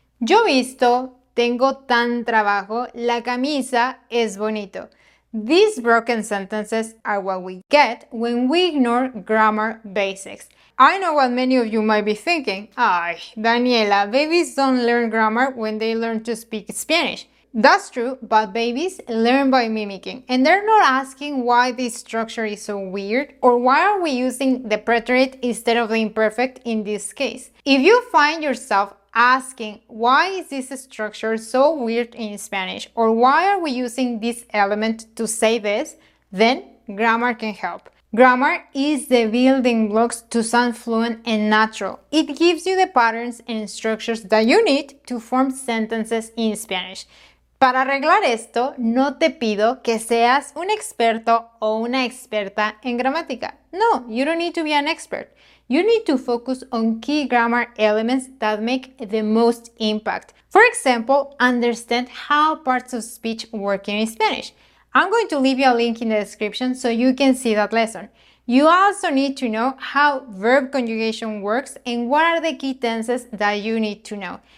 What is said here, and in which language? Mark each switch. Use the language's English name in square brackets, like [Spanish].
[Spanish] Yo visto, tengo tan trabajo, la camisa es bonito. [English] These broken sentences are what we get when we ignore grammar basics. I know what many of you might be thinking. Ay, Daniela, babies don't learn grammar when they learn to speak Spanish. That's true, but babies learn by mimicking, and they're not asking why this structure is so weird or why are we using the preterite instead of the imperfect in this case. If you find yourself asking why is this structure so weird in Spanish or why are we using this element to say this, then grammar can help. Grammar is the building blocks to sound fluent and natural. It gives you the patterns and structures that you need to form sentences in Spanish. [Spanish] Para arreglar esto, no te pido que seas un experto o una experta en gramática. [English] No, you don't need to be an expert. You need to focus on key grammar elements that make the most impact. For example, understand how parts of speech work in Spanish. I'm going to leave you a link in the description so you can see that lesson. You also need to know how verb conjugation works and what are the key tenses that you need to know.